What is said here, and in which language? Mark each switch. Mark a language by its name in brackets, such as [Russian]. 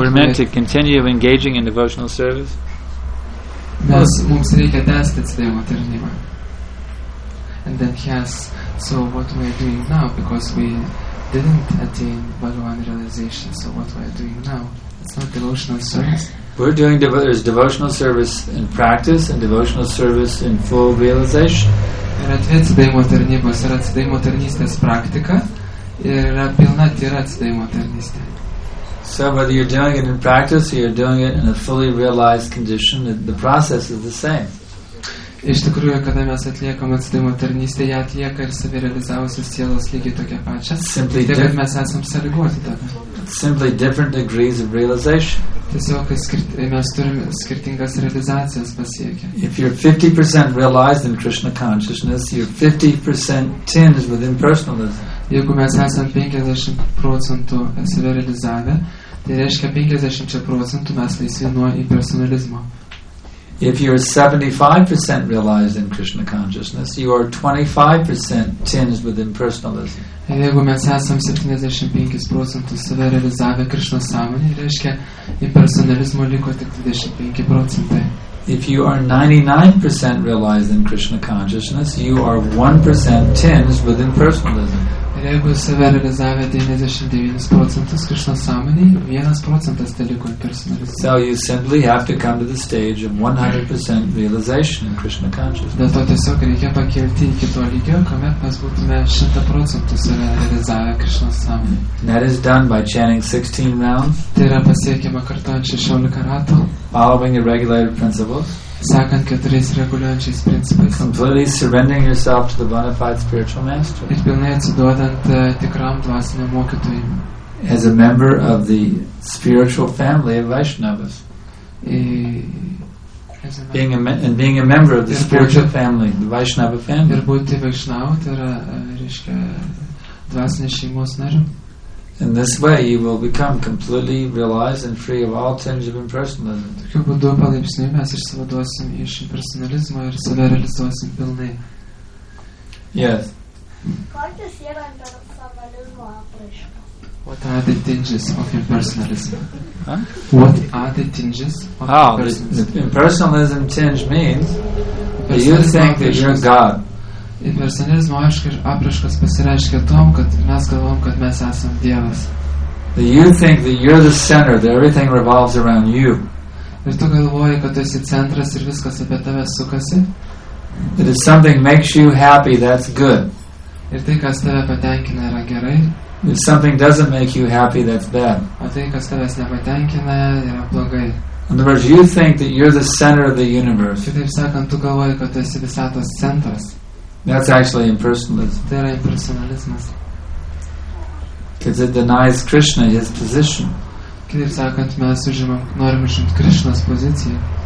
[English] we're meant to continue engaging in devotional service? [Lithuanian] Yes, mums reikia tęsti devo tarnybą. [English] And then he asks, so what we are doing now? Because we didn't attain Bhagavan realization, so what we are doing now? It's not devotional service. We're doing there's devotional service in practice and devotional service in full realization. [Lithuanian] Yra dvi atsidavimo tarnybos, yra atsidavimo tarnystės praktika, yra pilna tyra atsidavimo tarnystė. [English] So whether you're doing it in practice or you're doing it in a fully realized condition, the process is the same. [Lithuanian] Iš tikrųjų, kada mes atliekam atsidavimo tarnystę, ją atlieka ir savirealizavusios sielos lygiai tokia pačia. [English] Simply [Lithuanian] tai, kad mes esam sąlygoti tada. [English] Simply different degrees of realization. [Lithuanian] Tiesiog, kad mes turim skirtingas realizacijas pasiekę. [English] If you're 50% realized in Krishna consciousness, you're 50% tinged with impersonalism. [Lithuanian] Jeigu mes esam 50% savirealizavę, tai reiškia 50% mes laisvi nuo impersonalizmo. [English] If you're 75% realized in Krishna consciousness, you are 25% tinged with impersonalism. [Lithuanian] Jeigu mes esam 75% save realizavę Krishna sąmonę, reiškia, impersonalizmo liko tik 25%. [English] If you are 99% realized in Krishna consciousness, you are 1% tinged with impersonalism. [Lithuanian] Jeigu save realizavę 99% Krishna sąmonėj, 1% teliko impersonalizmo. [English] So you simply have to come to the stage of 100% realization in Krishna consciousness. [Lithuanian] Dėl to tiesiog reikia pakelti iki to lygio, kuomet mes būtume 100% save realizavę Krishna sąmonėj. [English] That is done by chanting 16 rounds. [Lithuanian] Tai yra pasiekiama kartuojant 16 ratų. [English] Following irregulated principles. [Lithuanian] Sakant keturiais reguliuojančiais principais. [English] Completely surrendering yourself to the bona fide spiritual master. [Lithuanian] Ir pilnai atsiduodant tikram dvasiniam mokytojui. [English] As a member of the spiritual family of Vaishnavas. And being a member of the spiritual family, the Vaishnava family. [Lithuanian] Ir būti Vaishnava, tai yra, reiškia, dvasinės šeimos nariu. [English] In this way, you will become completely realized and free of all tinge of impersonalism. [Lithuanian] Tokiu būdu palaipsniui mes išsivaduosim iš impersonalizmo ir save realizuosim pilnai. [English] Yes. [Lithuanian] Kokios yra impersonalizmo apraiškos? [English] What are the tinges of impersonalism? Huh? What are the tinges of impersonalism? Impersonalism tinge means that you think that you're God. [Lithuanian] Impersonalizmo apraškas pasireiškia tom, kad mes galvom, kad mes esam Dievas. [English] That you think that you're the center, that everything revolves around you. [Lithuanian] Ir tu galvoji, kad tu esi centras ir viskas apie tave sukasi. [English] That if something makes you happy, that's good. [Lithuanian] Ir tai, kas tave patenkina, yra gerai. [English] If something doesn't make you happy, that's bad. [Lithuanian] O tai, kas tavęs nepatenkina, yra blogai. [English] In other words, you think that you're the center of the universe. [Lithuanian] Ir taip sakant, tu galvoji, kad tu esi visatos centras. [English] That's actually impersonalism. [Lithuanian] Tai yra impersonalizmas. [English] Because it denies Krishna his position. [Lithuanian] Kitaip sakant, mes užimam, norim užimti Krišnos poziciją.